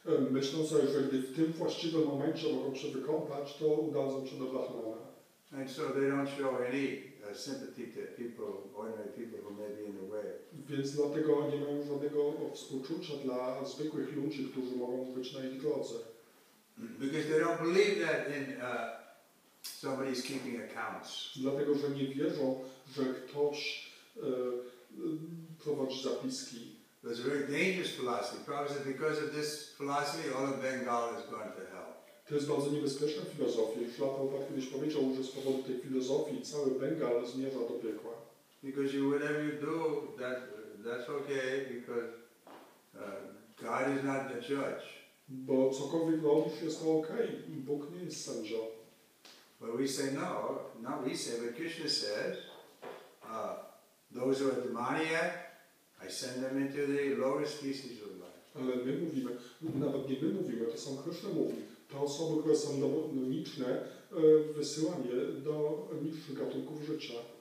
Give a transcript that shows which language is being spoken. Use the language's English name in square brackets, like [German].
[Polish] Myślą sobie, że gdy w tym właściwym momencie mogą się wykąpać, to udadzą się do Brahmana. [English] And so they don't show any sympathy to people, ordinary people who may be in the way. [Polish] Więc dlatego nie mają żadnego współczucia dla zwykłych ludzi, którzy mogą być na ich drodze. [English] Because they don't believe that in somebody's keeping accounts. [Polish] Dlatego, że nie wierzą, że ktoś prowadzi zapiski. [English] That's a very dangerous philosophy. Probably said, because of this philosophy, all of Bengal is going to hell. [Polish] To jest bardzo niebezpieczna filozofia. Szlapa kiedyś powiedział, że z powodu tej filozofii cały Bengal zmierza do piekła. [English] Because you, whatever you do, that's okay, because God is not the judge. [Polish] Bo cokolwiek robisz, jest to okej. Okay. Bóg nie jest sędzią. [English] But we say no, not we say, but Krishna says, those who are demoniac, I send them into the lower species of life. [Polish] Ale my mówimy, nawet nie my mówimy, to sam Krishna mówi. Te osoby, które są demoniczne, wysyłam je do niższych gatunków życia.